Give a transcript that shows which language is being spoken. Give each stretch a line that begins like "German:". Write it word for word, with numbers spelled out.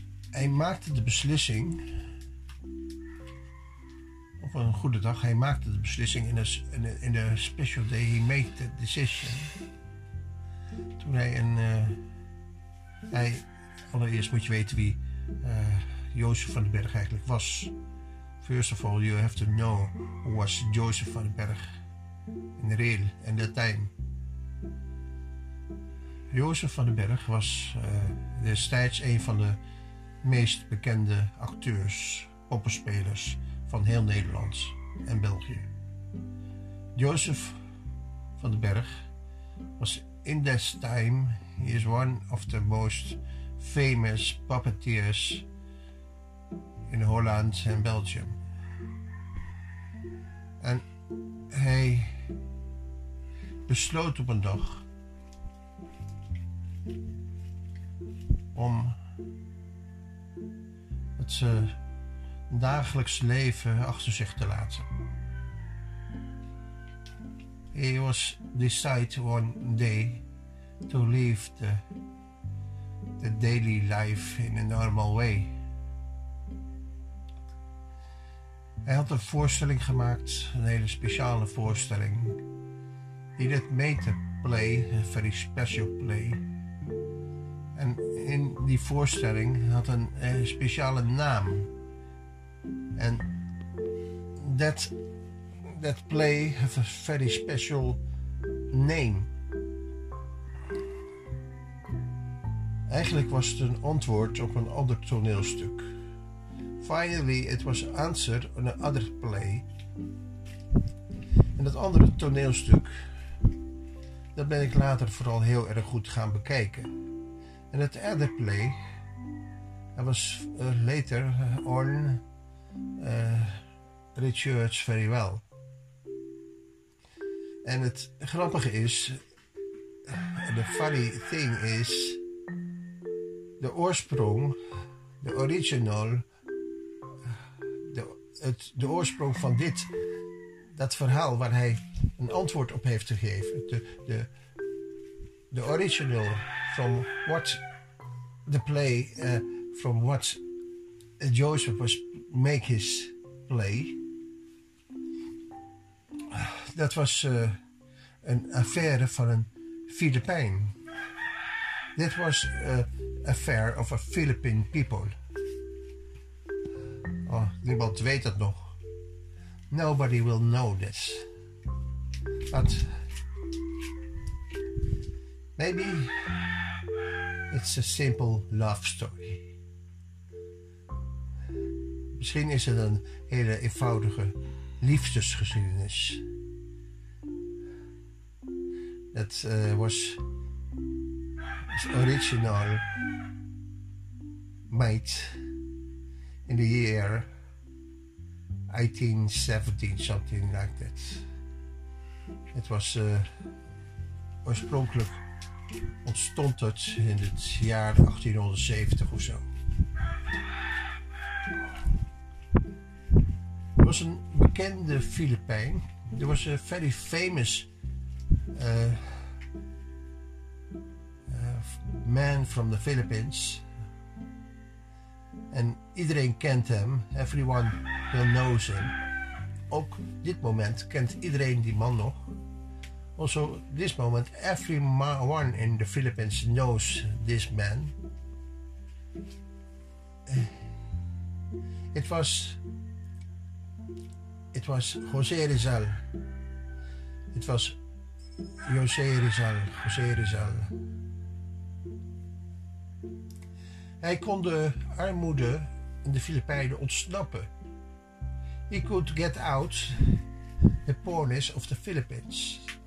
Dutch: Hij maakte de beslissing, op een goede dag, hij maakte de beslissing in de in de
English: special day, he made the decision.
Dutch: Toen hij een, uh, hij... Allereerst moet je weten wie uh, Jozef van den Berg eigenlijk was.
English: First of all, you have to know who was Jozef van den Berg in real in that time.
Dutch: Jozef van den Berg was uh, destijds een van de meest bekende acteurs, poppenspelers van heel Nederland en België.
English: Jozef van den Berg was in that time, he is one of the most famous puppeteers in Holland and Belgium.
Dutch: En hij besloot op een dag om het uh, dagelijks leven achter zich te laten.
English: He was decided one day to live the, the daily life in a normal way.
Dutch: Hij had een voorstelling gemaakt, een hele speciale voorstelling.
English: He had made a play, a very special play.
Dutch: En in die voorstelling had een, een speciale naam.
English: En that, that play had a very special name.
Dutch: Eigenlijk was het een antwoord op een ander toneelstuk.
English: Finally, it was answered on another play.
Dutch: En dat andere toneelstuk, dat ben ik later vooral heel erg goed gaan bekijken. En het
English: other play, I was uh, later on uh, researched very well.
Dutch: En het grappige is,
English: the funny thing is,
Dutch: de oorsprong, de original. Het, de oorsprong van dit, dat verhaal waar hij een antwoord op heeft gegeven.
English: De, de, de original from what the play, uh, from what Joseph was make his play.
Dutch: Dat was uh, een affaire van een Filipijn. Dit was een uh, affaire
English: of a Philippine people.
Dutch: Oh, niemand weet dat nog.
English: Nobody will know this. But maybe it's a simple love story.
Dutch: Misschien is het een hele eenvoudige liefdesgeschiedenis. Dat uh, was original meid.
English: In the year eighteen seventeen, something like that.
Dutch: Het was uh, oorspronkelijk ontstond het in het jaar
English: eighteen seventy
Dutch: of zo. Er was een bekende Filipijn. Er was een
English: very famous uh, uh, man from the Philippines.
Dutch: En iedereen kent hem.
English: Everyone will knows him.
Dutch: Ook dit moment kent iedereen die man nog.
English: Also, this moment, everyone in the Philippines knows this man. It was... It was José Rizal. It was José Rizal. José Rizal.
Dutch: Hij kon de armoede in de Filipijnen ontsnappen.
English: He could get out the poorness of the Philippines.